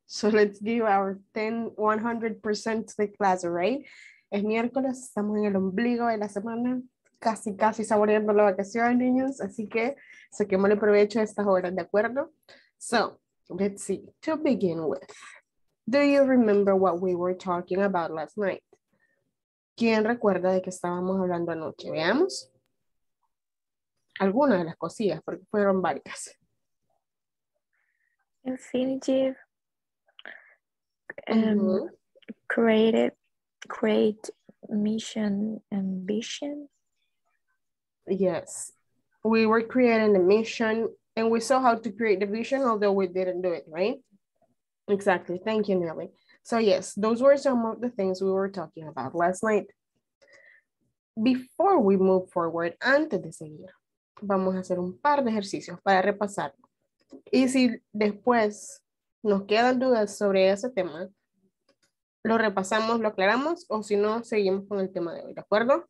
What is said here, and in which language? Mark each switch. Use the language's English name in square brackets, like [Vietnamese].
[English] So let's give our 100% to the class, right? [Spanish] Es miércoles, estamos en el ombligo de la semana, casi casi saboreando la vacación, niños, así que saquemos el provecho a estas horas, ¿de acuerdo? [English] So, let's see. To begin with, do you remember what we were talking about last night? [Spanish] ¿Quién recuerda de qué estábamos hablando anoche? Veamos. Algunas de las cosillas, porque fueron varias. [English] Infinitive, create mission and vision. Yes, we were creating the mission and we saw how to create the vision, although we didn't do it, right? Exactly, thank you, Nelly. So yes, those were some of the things we were talking about last night. Before we move forward, [Spanish] antes de seguir, vamos a hacer un par de ejercicios para repasar. Y si después nos quedan dudas sobre ese tema, lo repasamos, lo aclaramos, o si no, seguimos con el tema de hoy, ¿de acuerdo?